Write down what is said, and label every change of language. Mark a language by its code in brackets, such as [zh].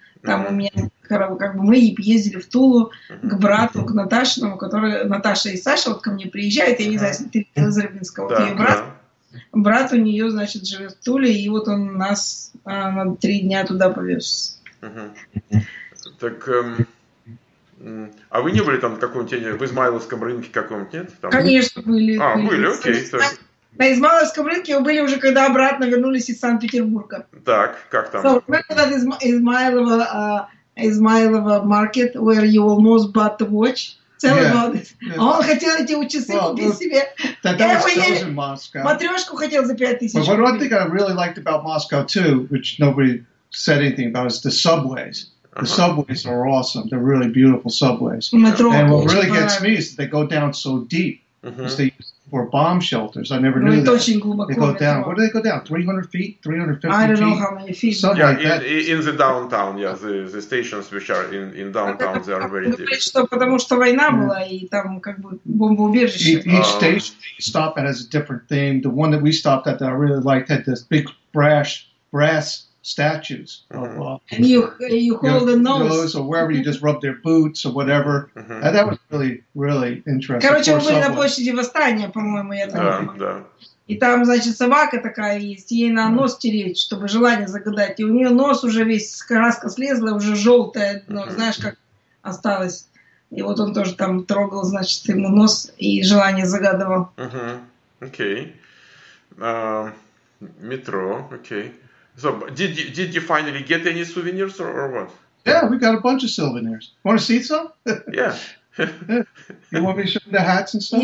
[ru] Там у меня, как бы, мы ездили в Тулу к брату, к Наташиному, который, Наташа и Саша, вот ко мне приезжают, я не знаю, если ты из Рыбинска, вот ее брат, брат у нее, значит, живет в Туле, и вот он нас на 3 дня туда повез. Так, а вы не были там в каком-нибудь, в Измайловском рынке каком-нибудь, нет? Там... Конечно, были. А, были, окей. На Измайловском рынке мы были уже, когда обратно вернулись из Санкт-Петербурга. Так, как там? [en] So, we went to Измайлова market, where you almost bought the watch. Tell about this. [ru] А он хотел эти часы купить себе. Матрешку хотел за 5000. [en] But one thing I really liked about Moscow too, which nobody said anything about, is the subways. The subways are awesome. They're really beautiful subways. [ru] Метро. [en] And what really gets me is that they go down so deep. which they used for bomb shelters. I never knew that. They go down. Where do they go down? 300 feet? 350 feet? I don't know how many feet. In the downtown, yeah. The stations which are in downtown, they are very deep. [ru] Потому что война была, и там как бы бомбоубежище. [en] Each station you stop at has a different theme. The one that we stopped at that I really liked had this big brass statues. And you hold the nose. Or wherever you just rub their boots or whatever. And that was really, really interesting. [ru] Короче, мы были на площади Восстания, по-моему, я так понимаю. Да. И там, значит, собака такая есть, ей на нос тереть, чтобы желание загадать. И у нее нос уже весь, краска слезла, уже желтая, но знаешь, как осталось. И вот он тоже там трогал, значит, ему нос и желание загадывал. Окей. Метро, окей. [en] So, did you finally get any souvenirs or what? Yeah, we got a bunch of souvenirs. Want to see some? Yeah. You want me to show you the hats and stuff?